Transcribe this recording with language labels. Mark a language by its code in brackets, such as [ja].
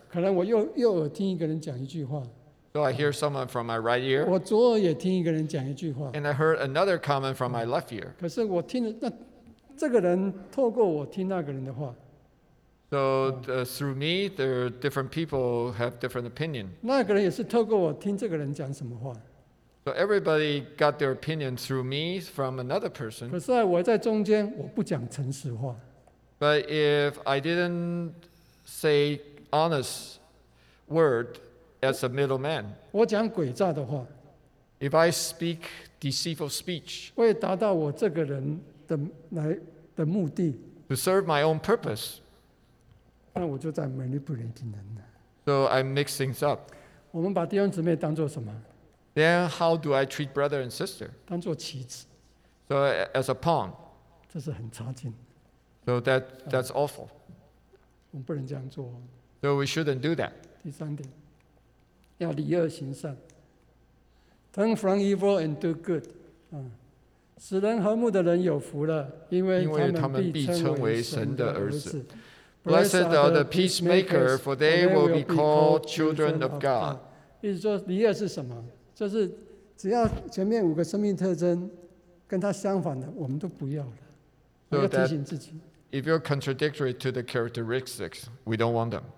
[zh] 可能我右耳听一个人讲一句话。 [en] So I hear someone from my right ear. [zh] 我左耳也听一个人讲一句话。 [en] And I heard another comment from my left ear. [zh] 可是我听了那这个人透过我听那个人的话。 [en] So through me, there are different people have different opinion. [zh] 那个人也是透过我听这个人讲什么话。 [en] So everybody got their opinion through me from another person. [zh] 可是我在中间，我不讲诚实话。 [en] But if I didn't say honest word as a middleman, [zh] 我讲诡诈的话。 [en] If I speak deceitful speech, [zh] 为达到我这个人的目的。 [en] To serve my own purpose, [zh] 那我就在 manipulating 人了。 [en] So I mix things up. [zh] 我们把弟兄姊妹当作什么？ [en] Then how do I treat brother and sister? [zh] 当作棋子。 [en] So as a pawn. [zh] 这是很差劲。 [en] So that's awful. [zh] 我们不能这样做。 [en] So we shouldn't do that. [zh] 第三点，要离恶行善。 [en] Turn from evil and do good. [zh] 使人和睦的人有福了，因为他们必称为神的儿子。 [en] Blessed are the peacemakers, for they will be called children of God. [zh] 意思说离恶是什么？就是只要前面五个生命特征跟它相反的，我们都不要了。 [en] So、 [zh] 要提醒自己。 [en] If you're contradictory to the characteristics, we don't want them.